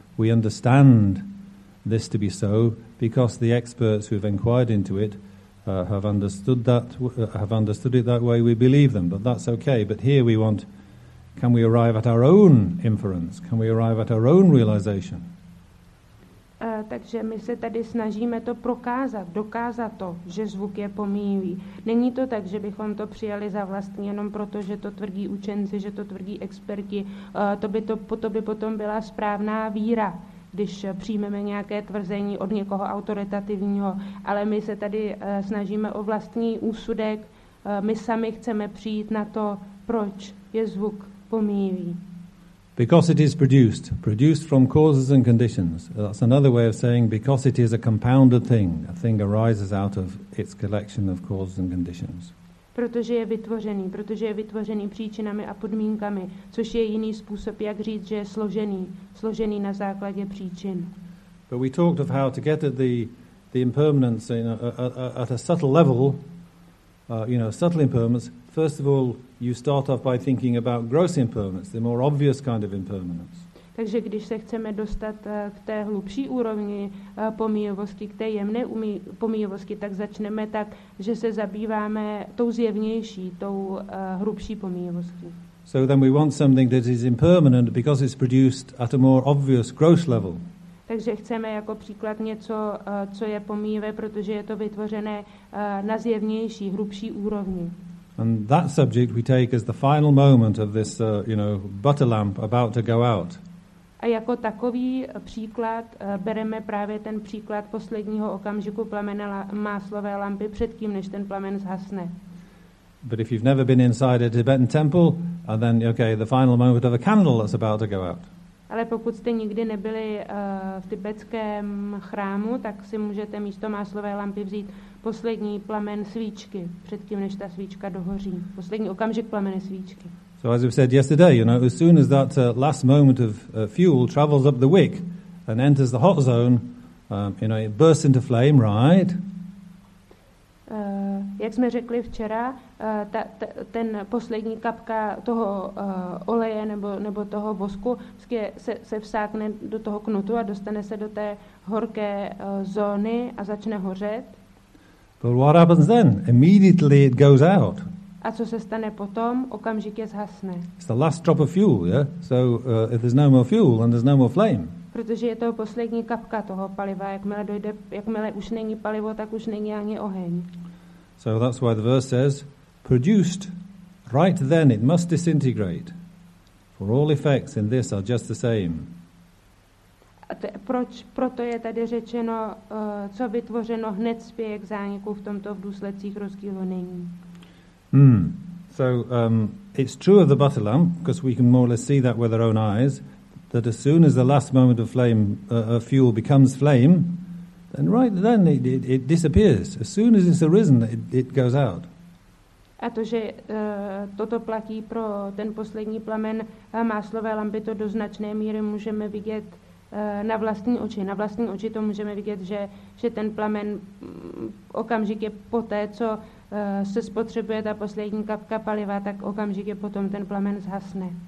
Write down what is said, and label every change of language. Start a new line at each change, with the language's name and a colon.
English: We understand this to be so because the experts who have inquired into it have understood it that way. We believe them, but that's okay. But here we want, can we arrive at our own inference? Can we arrive at our own realization?
Czech: Takže my se tady snažíme to prokázat, dokázat to, že zvuk je pomíjivý. Není to tak, že bychom to přijali za vlastní jenom proto, že to tvrdí učenci, že to tvrdí experti. To by potom byla správná víra, když přijmeme nějaké tvrzení od někoho autoritativního. Ale my se tady snažíme o vlastní úsudek. My sami chceme přijít na to, proč je zvuk pomíjivý.
English: Because it is produced from causes and conditions. That's another way of saying because it is a compounded thing. A thing arises out of its collection of causes and conditions.
Czech: Protože je vytvořený příčinami a podmínkami, což je jiný způsob, jak říct, že je složený na základě příčin.
English: But we talked of how to get at the the impermanence, you know, at a subtle level, you know, subtle impermanence, first of all, you start off by thinking about gross impermanence, the more obvious kind of impermanence.
Czech: Takže když se chceme dostat k té hlubší úrovni pomíjivosti, k té jemné pomíjivosti, tak začneme tak, že se zabýváme tou zjevnější, tou hrubší pomíjivostí.
English: So then we want something that is impermanent because it's produced at a more obvious gross level.
Czech: Takže chceme jako příklad něco, co je pomíjivé, protože je to vytvořené na zjevnější, hrubší úrovni.
English: And that subject we take as the final moment of this, you know, butter lamp about to go out.
Czech: A jako takový příklad bereme právě ten příklad posledního okamžiku plamene máslové lampy předtím, než ten plamen zhasne.
English: But if you've never been inside a Tibetan temple, and then okay, the final moment of a candle that's about to go out.
Czech: Ale pokud jste nikdy nebyli v tibetském chrámu, tak si můžete místo máslové lampy vzít poslední plamen svíčky předtím, než ta svíčka dohoří. Poslední okamžik plamene svíčky.
English: So as we said yesterday, you know, as soon as that last moment of fuel travels up the wick and enters the hot zone, you know, it bursts into flame, right?
Czech: Jak jsme řekli včera, ten poslední kapka toho oleje nebo toho vosku se vsákne do toho knutu a dostane se do té horké zóny a začne hořet.
English: But what happens then? Immediately it goes out.
Czech: A co se stane potom, okamžitě zhasne.
English: It's the last drop of fuel, yeah? So if there's no more fuel and there's no more flame.
Czech: Protože je to poslední kapka toho paliva, jakmile už není palivo, tak už není ani oheň.
English: So that's why the verse says, produced right then it must disintegrate, for all effects in this are just the same.
Czech: Proto je tady řečeno, co vytvořeno hned spěje k zániku v tomto v důsledcích rozdílu není.
English: So it's true of the butter lamp, because we can more or less see that with our own eyes, that as soon as the last moment of flame, of fuel becomes flame, then right then it disappears. As soon as it's arisen, it goes out.
Czech: A to, že toto platí pro ten poslední plamen máslové lampy, to do značné míry můžeme vidět na vlastní oči. Na vlastní oči to můžeme vidět, že ten plamen okamžitě poté, co se spotřebuje ta poslední kapka paliva, tak okamžitě potom ten plamen zhasne.